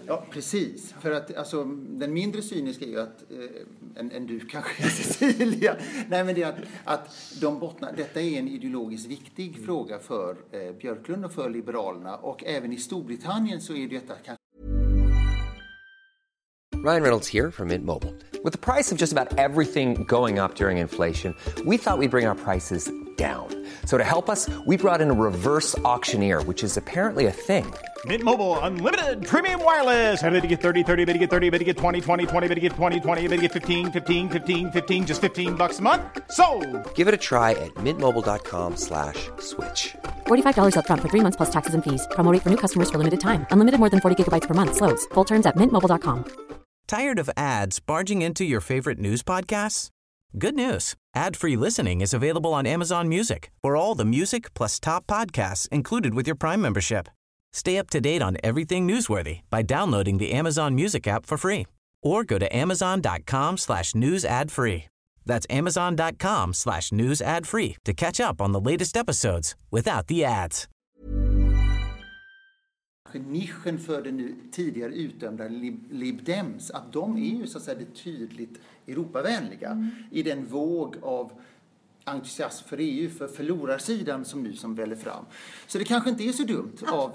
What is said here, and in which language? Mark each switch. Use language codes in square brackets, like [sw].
[sv] Ja, precis. Ja. För att alltså, den mindre cyniska är ju att, än du kanske, Cecilia. Nej, men det är att de bottnar. Detta är en ideologiskt viktig fråga för Björklund och för liberalerna. Och även i Storbritannien så är detta kanske... [en] Ryan Reynolds here from Mint Mobile. With the price of just about everything going up during inflation, we thought we'd bring our prices down. So to help us, we brought in a reverse auctioneer, which is apparently a thing. Mint Mobile Unlimited Premium Wireless. How to get 30, 30, how to get 30, how to get 20, 20, 20, how to get 20, 20, how to get 15, 15, 15, 15, just $15 a month? Sold! Give it a try at mintmobile.com/switch. $45 up front for 3 months plus taxes and fees. Promo rate for new customers for limited time. Unlimited more than 40 gigabytes per month. Slows full terms at mintmobile.com. Tired of ads barging into your favorite news podcasts? Good news. Ad-free listening is available on Amazon Music for all the music plus top podcasts included with your Prime membership. Stay up to date on everything newsworthy by downloading the Amazon Music app for free or go to amazon.com/newsadfree. That's amazon.com/newsadfree to catch up on the latest episodes without the ads. [sv] Nischen för det nu tidigare utdömda Lib Dems, att de är ju så att säga det tydligt europavänliga i den våg av entusiasm för EU, för förlorarsidan som nu som väljer fram. Så det kanske inte är så dumt av